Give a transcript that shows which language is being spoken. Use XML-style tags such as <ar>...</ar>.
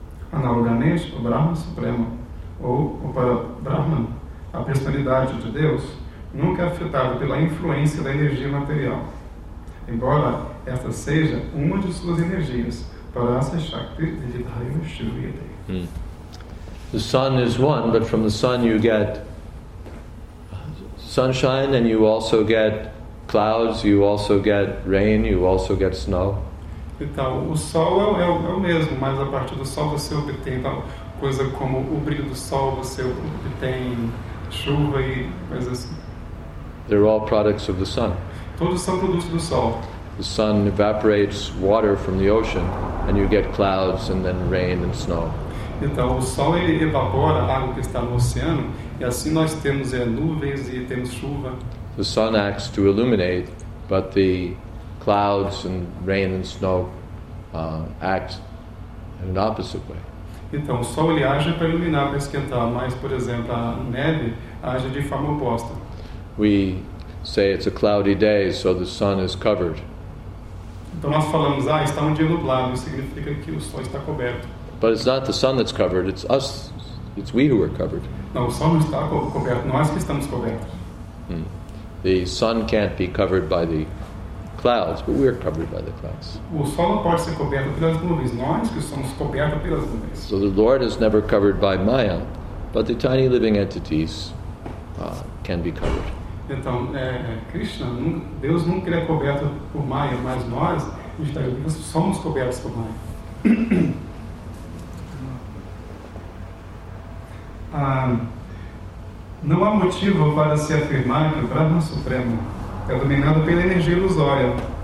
<pt>Analogamente, o Brahma Supremo, ou o Parabrahman, a personalidade de Deus, nunca é afetado pela influência da energia material, embora esta seja uma de suas energias para Asashakti Vidhaya Shivyate.</pt> <en>The sun is one, but from the sun you get sunshine, and you also get clouds, you also get rain, you also get snow.</en> <pt>Então, o sol é o mesmo, mas a partir do sol você obtém tal coisa como o brilho do sol, você obtém chuva e coisas assim.</pt> <en>They're all products of the sun.</en> <pt>Todos são produtos do sol.</pt> <en>The sun evaporates water from the ocean, and you get clouds, and then rain and snow.</en> <pt>Então, o sol ele evapora a água que está no oceano, e assim nós temos nuvens e temos chuva.</pt> <en>The sun acts to illuminate, but the clouds and rain and snow act in an opposite way.</en> <pt>Então, o sol ele age para iluminar, para esquentar, mas, por exemplo, a neve age de forma oposta.</pt> <en>We say it's a cloudy day, so the sun is covered.</en> <pt>Então nós falamos, está um dia nublado, significa que o sol está coberto.</pt> <en>But it's not the sun that's covered, it's us, it's we who are covered.</en> <pt>Não, o sol não está coberto, nós que estamos cobertos.</pt> <en>The sun can't be covered by the clouds, but we are covered by the clouds.</en> <pt>O sol não pode ser coberto pelas nuvens, nós que somos cobertos pelas nuvens.</pt> <en>So the Lord is never covered by Maya, but the tiny living entities can be covered.</en> <pt>Então, Krishna, Deus nunca é coberto por Maya, mas nós, vegetais, somos cobertos por Maya. Não há motivo para se afirmar que o Brahma Supremo é dominado pela energia ilusória.</pt>